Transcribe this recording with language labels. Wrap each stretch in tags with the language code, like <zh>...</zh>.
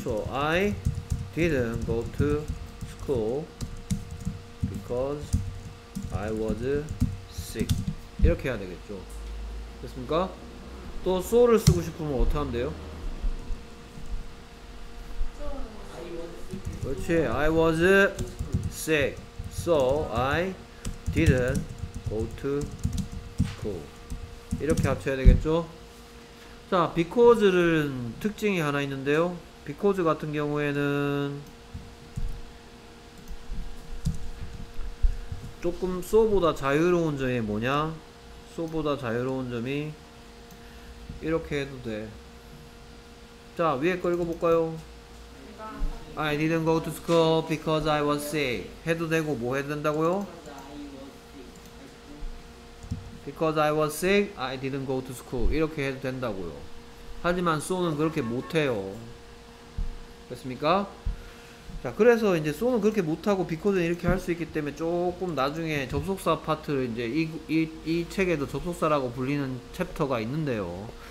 <en>I didn't go to school because I was sick.</en> <ko>이렇게 해야 되겠죠. 됐습니까? 또 so를 쓰고 싶으면 어떻게 하면 돼요?</ko> <en>I was sick. So I didn't go to school.</en> <ko>이렇게 합쳐야 되겠죠. 자, because는 특징이 하나 있는데요. because 같은 경우에는 조금 so보다 자유로운 점이 뭐냐? so보다 자유로운 점이 이렇게 해도 돼. 자, 위에 거 읽어볼까요?</ko> <en>I didn't go to school because I was sick.</en> <ko>해도 되고 뭐 해도 된다고요?</ko> <en>Because I was sick, I didn't go to school.</en> <ko>이렇게 해도 된다고요. 하지만 so는 그렇게 못해요. 됐습니까? 자, 그래서 이제 so는 그렇게 못하고 because는 이렇게 할 수 있기 때문에 조금 나중에 접속사 파트를 이제 이 책에도 접속사라고 불리는 챕터가 있는데요.</ko>